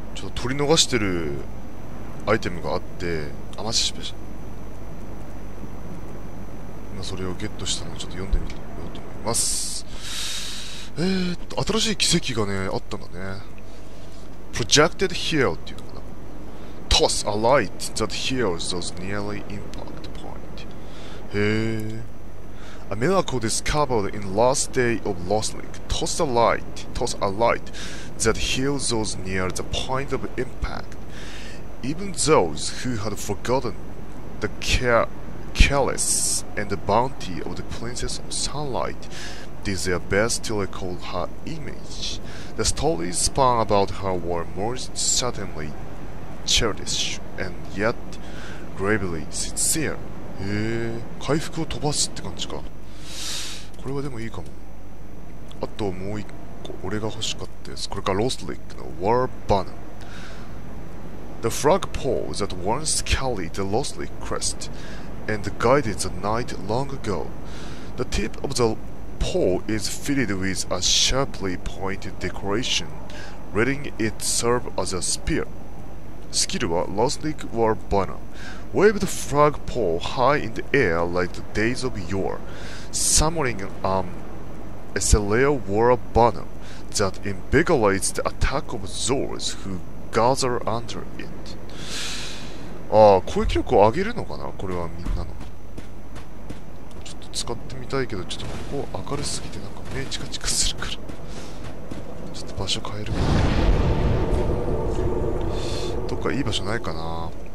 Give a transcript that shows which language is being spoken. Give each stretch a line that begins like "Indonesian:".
Japanese: そう、取り逃してるアイテムがあって、アマチスペシャル、今それをゲットしたのでちょっと読んでみようと思います。新しい奇跡がね、あったんだね。 Projected Heal っていうのかな。
English: Toss a light that heals those nearly impact point. へぇ、 A miracle discovered in last day of Lost Link. Toss a light that heals those near the point of impact. Even those who had forgotten the careless and the bounty of the Princess of Sunlight did their best to recall her image. The stories spun about her were most certainly childish and yet gravely sincere.
Japanese: へぇ、回復を飛ばすって感じか。これはでもいいかも。あともう一個俺が欲しかったです。これがロストリックの War Banner。
English: The flagpole that once carried the Lost Link crest and guided the knight long ago. The tip of the pole is fitted with a sharply pointed decoration, letting it serve as a spear. Skill は Lost Link War Banner. Wave the flagpole high in the air like the days of yore, summoning a celestial war banner that invigorates the attack of those who gather under it.
Japanese: ああ、攻撃力を上げるのかな、これはみんなの。ちょっと使ってみたいけど、ちょっとここ明るすぎてなんか目チカチカするから、ちょっと場所変えるか。どっかいい場所ないかな。